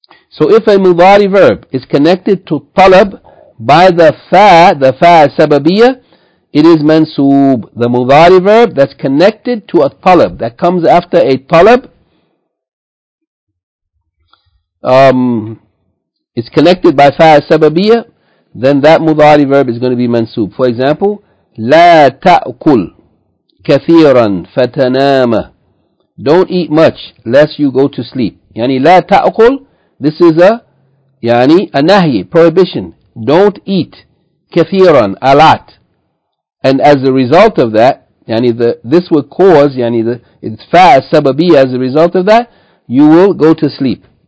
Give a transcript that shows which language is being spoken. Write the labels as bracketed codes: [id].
[en] So if a mudari verb is connected to talab by the fa sababiyya, it is mansoob. The mudari verb that's connected to a talab, that comes after a talab, is connected by fa sababiyya, then that mudari verb is going to be mansoob. [ar] For example, لا تأكل كثيرا فتنام. [en] Don't eat much lest you go to sleep. يعني [ar] لا تأكل, [en] this is a, يعني a nahi, prohibition. Don't eat كثيرا, a lot. And as a result of that, يعني the, this will cause, يعني the, it's فا السببية, as a result of that, you will go to sleep.